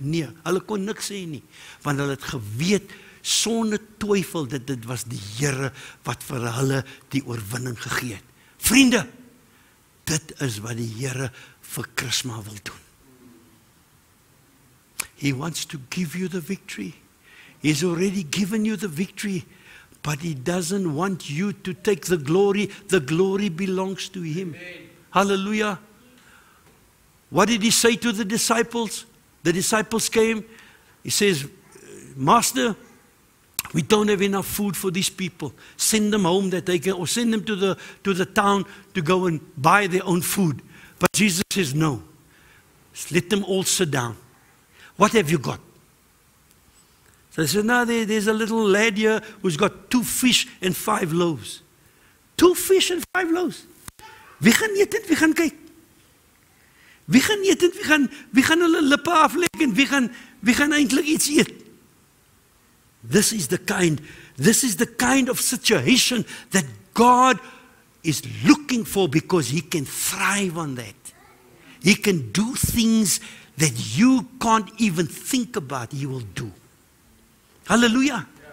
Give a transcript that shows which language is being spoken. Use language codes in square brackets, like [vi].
[af] Nee, hulle kon niks sê nie. Want hulle het geweet, sonder twyfel, dat dit was die Heere wat vir hulle die oorwinning gegee het. Vriende, dit is wat die Heere vir Krisma wil doen. [en] He wants to give you the victory. He's already given you the victory, but he doesn't want you to take the glory. The glory belongs to him. Amen. Hallelujah. What did he say to the disciples? The disciples came. He says, Master, we don't have enough food for these people. Send them home that they can, or send them to the town to go and buy their own food. But Jesus says, no. Just let them all sit down. What have you got? They said, no, there's a little lad here who's got 2 fish and 5 loaves. 2 fish and 5 loaves. [af] Wie gaan eet en wie gaan kyk? Wie gaan eet en wie gaan hulle lippe aflek en wie gaan eindelijk iets eet? [en] This is the kind of situation that God is looking for because he can thrive on that. He can do things that you can't even think about he will do. Hallelujah.